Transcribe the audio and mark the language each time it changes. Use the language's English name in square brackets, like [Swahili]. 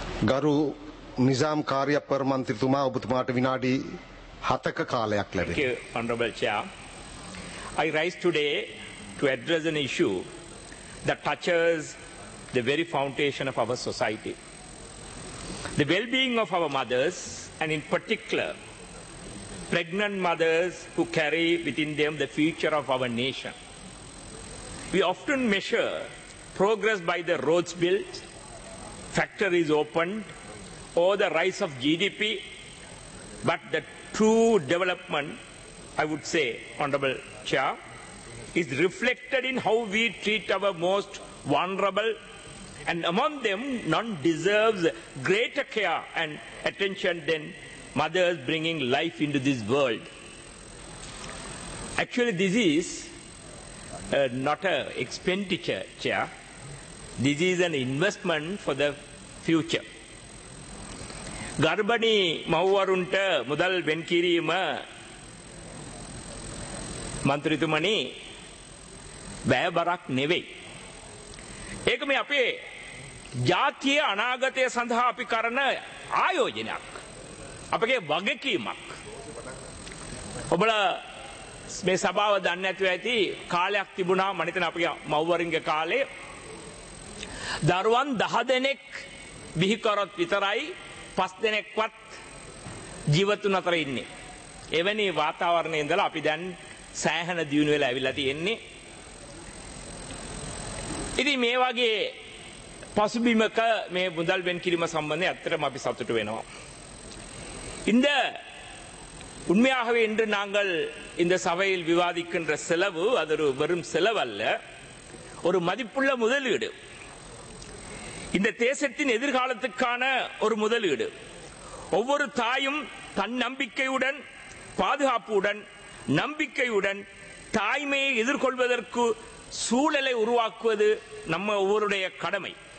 [Sinhala] ගරු නිසාම් කාරිය පර්මන්තිතුමා ඔබතුමාට විනාඩි හතක කාලයක් ලැබෙනවා. [English] I rise today to address an issue that touches the very foundation of our society. The well-being of our mothers, and in particular, pregnant mothers who carry within them the future of our nation. We often measure progress by the roads built, factories opened, or the rise of GDP, but the true development, I would say, Honorable Chair, is reflected in how we treat our most vulnerable, and among them, none deserves greater care and attention than mothers bringing life into this world. Actually, this is not an expenditure, Chair. This is an investment for the future. [Sinhala] ගර්භණී මව්වරුන්ට මුදල් වෙන් කිරීම මන්ත්‍රීතුමනි වැය බරක් නෙවෙයි. ඒක මේ අපේ ජාතිය අනාගතය සඳහා අපි කරන ආයෝජනයක්, අපගේ වගකීමක්. ඔබලා මේ සභාව දන්න ඇතුව ඇති, කාලයක් තිබුණා මනිතන අපගේ මව්වරුන්ගේ කාලේ දරුවන් 10 දෙනෙක් බිහිකරොත් විතරයි 5 දෙනෙක්වත් ජීවතුන් අතර ඉන්නේ. එවැනි වාතාවරණය ඉඳලා අපි දැන් සෑහන දියුණු වෙලා ඇවිල්ලා තියෙන්නේ. ඉතින් මේ වගේ පසුබිමක මේ මුදල් වෙන් කිරීම සම්බන්ධයෙන් ඇත්තටම අපි සතුටු වෙනවා. [Tamil] இந்த உண்மையாகவே இன்று நாங்கள் இந்த சபையில் விவாதிக்கின்ற செலவு அது ஒரு வெறும் செலவல்ல, ஒரு மதிப்புள்ள முதலீடு. இந்த தேசத்தின் எதிர்காலத்துக்கான ஒரு முதலீடு. ஒவ்வொரு தாயும் தன் நம்பிக்கையுடன், பாதுகாப்புடன், நம்பிக்கையுடன் தாய்மையை எதிர்கொள்வதற்கு சூழலை உருவாக்குவது நம்ம ஒவ்வொருடைய கடமை.